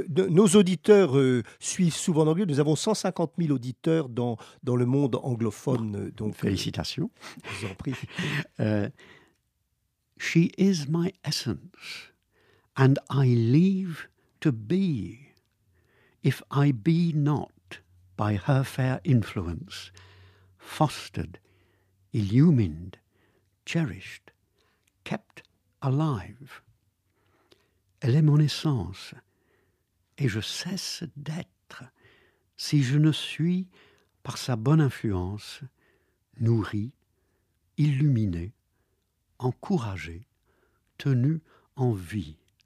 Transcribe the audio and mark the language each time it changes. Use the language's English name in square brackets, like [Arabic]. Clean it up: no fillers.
[French] Nos auditeurs suivent souvent en anglais. Nous avons 150 000 auditeurs dans le monde anglophone. Donc, félicitations. Je vous en prie. [English] She is my essence, and I leave to be, if I be not by her fair influence, fostered, illumined, cherished, kept alive. [French] Elle est mon essence, et je cesse d'être si je ne suis, par sa bonne influence, nourri, illuminé, encouragé, tenu en vie.